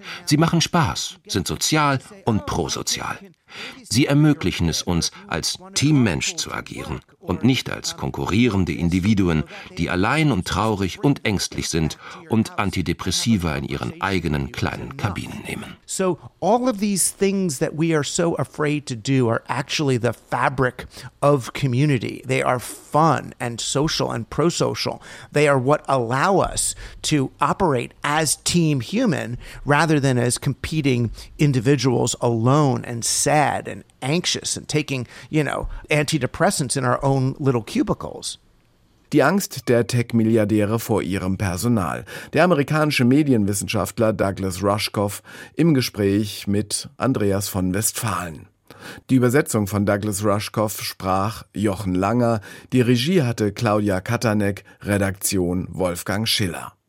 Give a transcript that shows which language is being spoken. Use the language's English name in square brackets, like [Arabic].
[German] Sie machen Spaß, sind sozial und prosozial. Sie ermöglichen es uns, als Teammensch zu agieren und nicht als konkurrierende Individuen, die allein und traurig und ängstlich sind und Antidepressiva in ihren eigenen kleinen Kabinen nehmen. [English] So all of these things that we are so afraid to do are actually the fabric of community. They are fun and social and prosocial. They are what allow us to operate as team human rather than as competing individuals alone and sad and anxious and taking, you know, antidepressants in our own little cubicles. [German] Die Angst der Tech-Milliardäre vor ihrem Personal. Der amerikanische Medienwissenschaftler Douglas Rushkoff im Gespräch mit Andreas von Westphalen. Die Übersetzung von Douglas Rushkoff sprach Jochen Langer, die Regie hatte Claudia Katanek, Redaktion Wolfgang Schiller.